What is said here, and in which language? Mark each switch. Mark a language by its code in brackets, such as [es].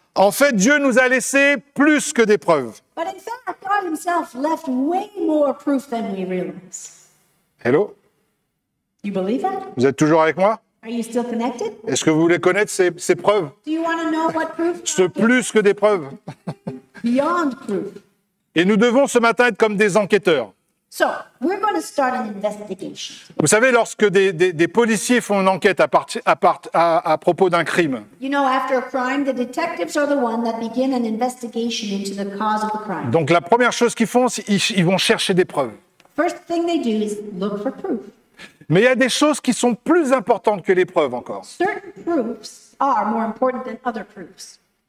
[fr] En fait, Dieu nous a laissé plus que des preuves. [en] But in fact, God himself left way more proof than we realize. Hello? You believe that? [fr] Vous êtes toujours avec moi? [en] Are you still connected? [fr] Est-ce que vous voulez connaître ces preuves? [en] Do you want to know what proof? [fr] Ce plus que des preuves. [en] Beyond proof. [fr] Et nous devons ce matin être comme des enquêteurs. [en] So, we're going to start an investigation. [fr] Vous savez, lorsque des policiers font une enquête à propos d'un crime. [en] You know, after a crime, the detectives are the ones that begin an investigation into the cause of the crime. [fr] Donc la première chose qu'ils font, c'est ils vont chercher des preuves. [en] First thing they do is look for proof. [fr] Mais il y a des choses qui sont plus importantes que les preuves encore. [en] Certain proofs are more important than other proofs.